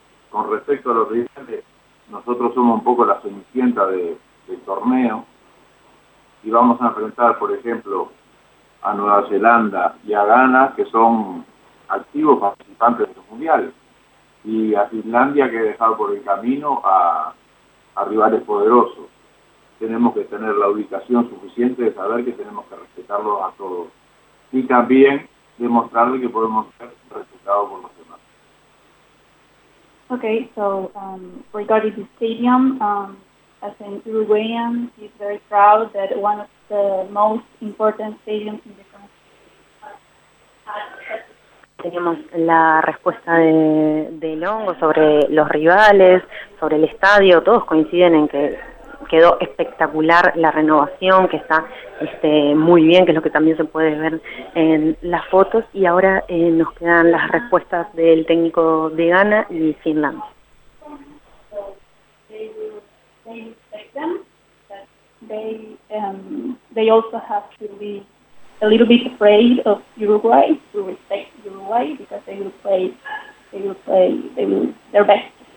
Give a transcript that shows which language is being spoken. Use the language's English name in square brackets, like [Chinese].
[Spanish] Con respecto a los rivales, nosotros somos un poco la cenicienta del torneo y vamos a enfrentar, por ejemplo, a Nueva Zelanda y a Ghana, que son activos participantes de los mundiales, y a Finlandia, que he dejado por el camino a rivales poderosos. Tenemos que tener la ubicación suficiente de saber que tenemos que respetarlos a todos y también demostrarle que podemos ser respetados por los demás. [English] Okay, so regarding the stadium, as an Uruguayan, he's very proud that one of the most important stadiums in the country. [Spanish] Tenemos la respuesta de Longo sobre los rivales, sobre el estadio. Todos coinciden en que quedó espectacular la renovación, que está muy bien, que es lo que también se puede ver en las fotos. Y ahora nos quedan las respuestas del técnico de Ghana y Finlandia. [English] They also have to be a little bit afraid of Uruguay, to respect Uruguay, because they will play their best.